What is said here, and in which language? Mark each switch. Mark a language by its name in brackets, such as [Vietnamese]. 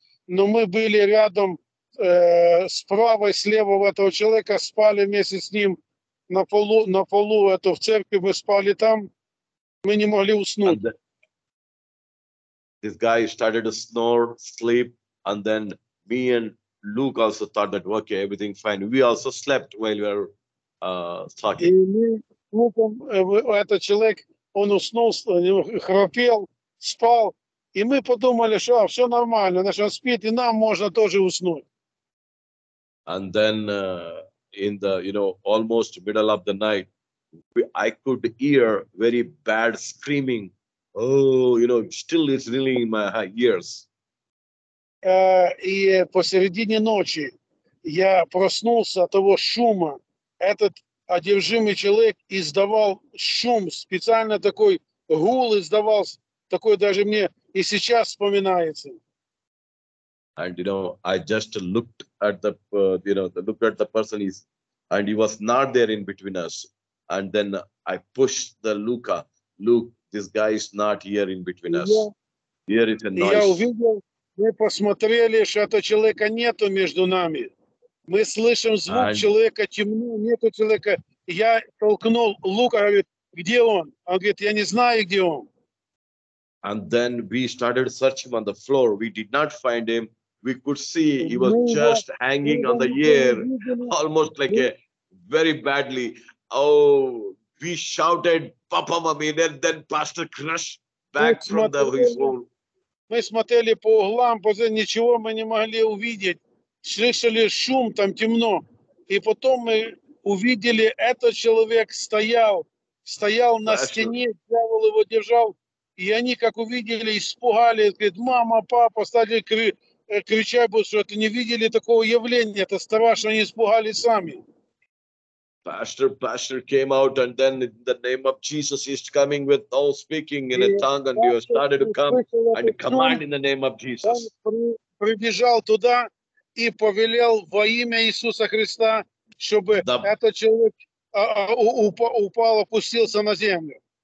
[Russian] Но мы были рядом справа и слева у этого человека, спали вместе с ним. На полу, это в церкви, мы спали там, мы не могли уснуть. [English] This guy started to snore, sleep, and then me and Luke also thought that, okay, everything fine. We also slept while we were talking. [Russian] Этот человек, он уснул, храпел, спал, и мы подумали, что все нормально, значит, он спит, и нам можно тоже уснуть. [English] And then... in the, you know, almost middle of the night, I could hear very bad screaming. Oh, you know, still it's really in my ears. [Russian] И посередине ночи я проснулся от того шума. Этот одержимый человек издавал шум, специально такой гул издавал, такой даже мне и сейчас вспоминается. [English] And you know, I just looked at the, looked at the person. And he was not there in between us. And then I pushed the Luca. Luke, this guy is not here in between us. Here is a noise. [Russian] Я увидел, мы посмотрели, что этого человека нету между нами. Мы слышим звук человека, темно, нету человека. Я толкнул Лука, говорит, где он? Он говорит, я не знаю, где он. [English] And then we started searching on the floor. We did not find him. We could see he was just hanging on the air, almost like a very badly. Oh, we shouted, "Papa, mommy!" And then pastor crushed back from the whistle. [Russian] Мы смотрели по углам, ничего мы не могли увидеть. Слышали шум, там темно. И потом мы увидели, этот человек стоял на стене, дьявол его держал. И они, как увидели, испугались. Говорит, мама, папа, стали кричать. Кричать будут, что это не видели такого явления, это страшно, они испугались сами. [English] Pastor came out, and then in the name of Jesus is coming with all speaking in a tongue, and you started to come and command in the name of Jesus. [Russian] Прибежал туда и повелел во имя Иисуса Христа, чтобы этот человек упал, опустился на землю.